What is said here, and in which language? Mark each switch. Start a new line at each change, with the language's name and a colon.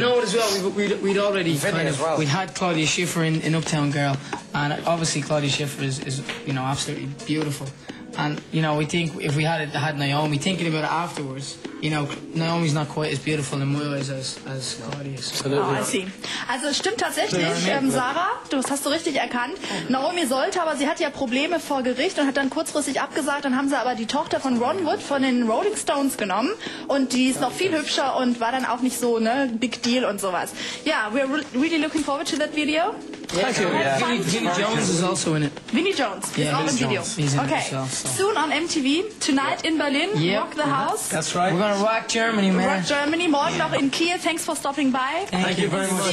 English: You know what, as well, we'd had Claudia Schiffer in Uptown Girl, and obviously Claudia Schiffer is you know absolutely beautiful. And you know, we think if we had Naomi, thinking about it afterwards, you know, Naomi's not quite as beautiful in my eyes as Claudia is. Oh, I see.
German: Also es stimmt tatsächlich, Sarah, das hast du richtig erkannt. Naomi sollte, aber sie hatte ja Probleme vor Gericht und hat dann kurzfristig abgesagt. Dann haben sie aber die Tochter von Ron Wood von den Rolling Stones genommen und die ist noch viel hübscher und war dann auch nicht so ne Big Deal und sowas.
English: Yeah, we're really looking forward to that video. Vinnie Jones is also in it. Vinnie Jones, yeah, he's Vinnie on the Jones. Video. He's in okay. It himself, so. Soon on MTV, tonight in Berlin, yep. Rock the House. That's right. We're gonna rock Germany, man. Rock Germany,
German: morgen noch in Kiel.
English: Thanks for stopping by. Thank you very much.